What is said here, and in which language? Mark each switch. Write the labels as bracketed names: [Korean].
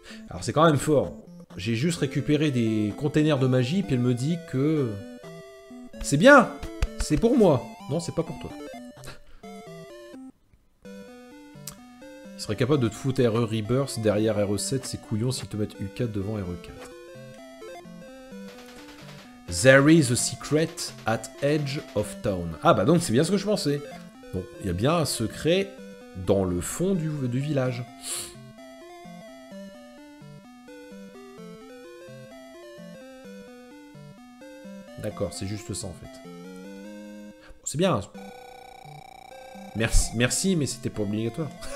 [French] Alors, c'est quand même fort. J'ai juste récupéré des containers de magie, puis elle me dit que... C'est bien. C'est pour moi. Non, c'est pas pour toi. Il serait capable de te foutre RE Rebirth derrière RE7, c'est couillon s'il te met U4 devant RE4. [English] There is a secret at edge of town. [French] Ah bah donc, c'est bien ce que je pensais. Bon, il y a bien un secret dans le fond du village. D'accord, c'est juste ça en fait. Bon, c'est bien. Merci, merci, mais c'était pas obligatoire.